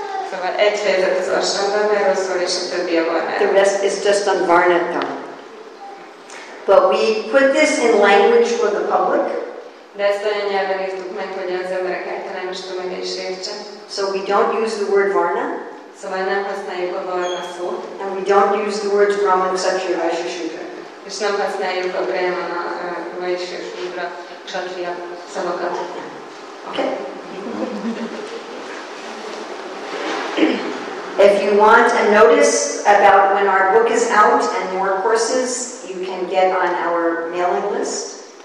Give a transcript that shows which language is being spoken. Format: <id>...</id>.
<hu>Szóval egy fejezet az ashram dharmáról szól, és a többi a varna.</hu> <en>The rest is just on varna dharma. But we put this in language for the public.</en> <hu>De ezt olyan nyelven írtuk meg, hogy az emberek általánosan meg is értse.</hu> <en>So we don't use the word varna.</en> <hu>Szóval nem használjuk a varna szót.</hu> <en>And we don't use the words brahma, kshatriya, vaishya, shudra.</en> <hu>És nem használjuk a brahma, vaishya, shudra, kshatriya szavakat.</hu> <en>Okay. If you want a notice about when our book is out and more courses, you can get on our mailing list.</en>